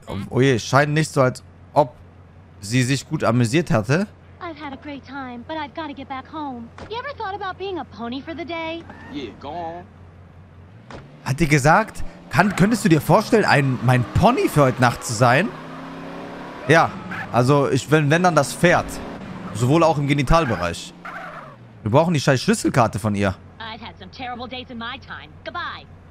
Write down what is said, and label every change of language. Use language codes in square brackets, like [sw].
[de] Oh je, scheint nicht so, als ob sie sich gut amüsiert hatte. [en] I've had a great time, but I've got to get back home. You ever thought about being a pony for the day? Yeah, go on. [de] Hat die gesagt, könntest du dir vorstellen, mein Pony für heute Nacht zu sein? Ja, also ich will, wenn dann das Pferd. Sowohl auch im Genitalbereich. Wir brauchen die scheiß Schlüsselkarte von ihr. [en] I've had some terrible days in my time. Goodbye.